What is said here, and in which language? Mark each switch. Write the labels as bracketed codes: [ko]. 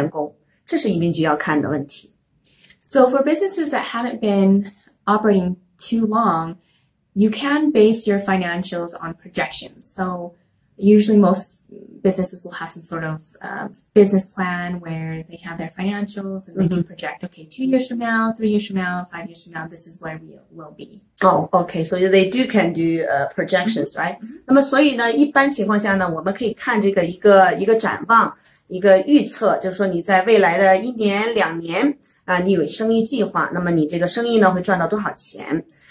[zh] 那么其实移民局要看什么呢？就是看这个生意，在这个生意项下呢，产生不产生足够多的利润，可以支付你所有的开销，那支付你其他员工的费用，还有支付你这个经营这个方面的费用，包括你有没有钱支付这个新员工，这是移民局要看的问题。So [en] for businesses that haven't been operating too long, you can base your financials on projections. So usually most businesses will have some sort of business plan where they have their financials and they can project, okay, 2 years from now, 3 years from now, 5 years from now, this is where we will be. Oh, okay. So they can do projections, right? [zh] 那么所以呢，一般情况下呢，我们可以看这个一个展望，一个预测，就是说你在未来的一年、两年，你有生意计划，那么你这个生意呢会赚到多少钱？